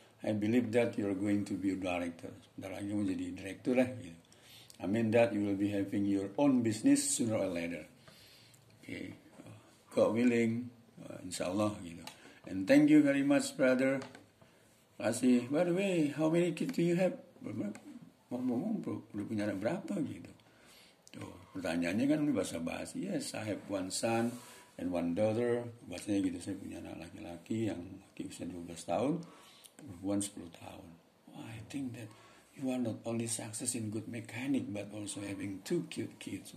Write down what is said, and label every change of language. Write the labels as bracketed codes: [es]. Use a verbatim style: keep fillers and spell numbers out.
[en] I believe that you are going to be a director. [id] Sebentar lagi mau jadi direktur lah gitu. [en] I mean that you will be having your own business sooner or later. Okay. God willing. Uh, [id] Insyaallah gitu. [en] And thank you very much, brother. Kasih. By the way, how many kids do you have? [id] Ngomong-ngomong, bro, udah punya anak berapa gitu? Tuh, pertanyaannya kan ini bahasa basi. [en] Yes, I have one son and one daughter. [id] Bahasanya gitu, saya punya anak laki-laki yang laki usia dua belas tahun, perempuan sepuluh tahun. [en] Well, I think that you are not only success in good mechanic, but also having two cute kids.